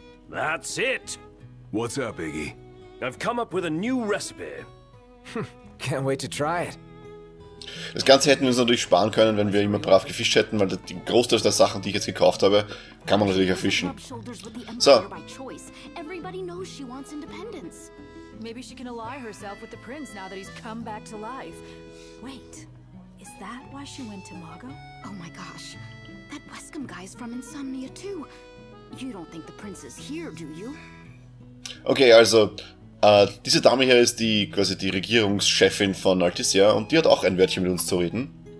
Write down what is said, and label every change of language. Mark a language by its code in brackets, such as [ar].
[en] That's it. What's up, Iggy? I've come up with a new recipe. Can't wait to try it. [de] Das Ganze hätten wir uns natürlich sparen können, wenn wir immer brav gefischt hätten, weil die Großteil der Sachen, die ich jetzt gekauft habe, kann man natürlich erfischen. [en] So. Everybody knows she wants independence. Maybe she can ally herself with the prince now that he's come back to life. Wait, is that why she went to Mago? Oh my gosh, that Wescombe guy's from Insomnia too. You don't think the prince is here, do you? [de] Okay, also diese Dame hier ist die quasi die Regierungschefin von Altisia und die hat auch ein Wörtchen mit uns zu reden.